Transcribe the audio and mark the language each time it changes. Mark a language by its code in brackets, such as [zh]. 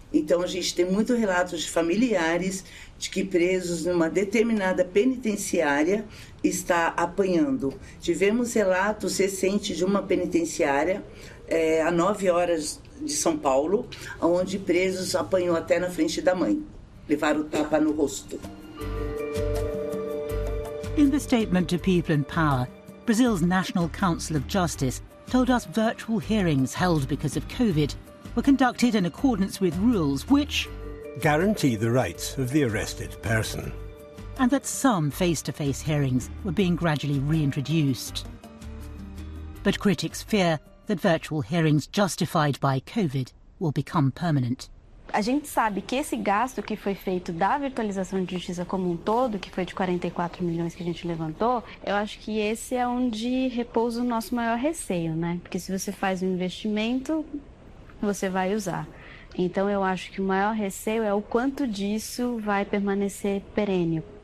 [pt] Então, a gente tem muitos relatos de familiares de que presos numa determinada penitenciária está apanhando. Tivemos relatos recentes de uma penitenciária a 9 horas de São Paulo, onde presos apanhou até na frente da mãe. Levaram tapa no rosto. [en] In the statement to People in Power, Brazil's National Council of Justice told us virtual hearings held because of COVID were conducted in accordance with rules which guarantee the rights of the arrested person, and that some face-to-face hearings were being gradually reintroduced. But critics fear that virtual hearings justified by COVID will become permanent. [pt] A gente sabe que esse gasto que foi feito da virtualização de justiça como um todo, que foi de 44 milhões que a gente levantou, eu acho que esse é onde repousa o nosso maior receio, né? Porque se você faz um investimento, você vai usar. Então, eu acho que o maior receio é o quanto disso vai permanecer perene.